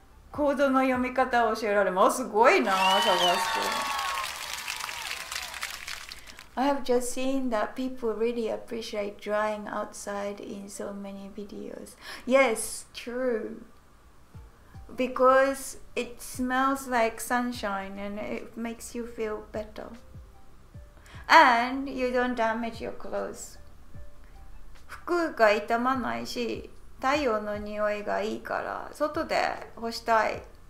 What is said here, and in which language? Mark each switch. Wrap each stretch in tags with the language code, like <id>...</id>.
<ja>コードの読み方を教えられます。すごいな、サバスク。</ja> <en>I have just seen that people really appreciate drying outside in so many videos. Yes, true. Because it smells like sunshine and it makes you feel better. And you don't damage your clothes.</en> <ja>服が傷まないし、太陽の匂いがいいから、外で干したい。</ja>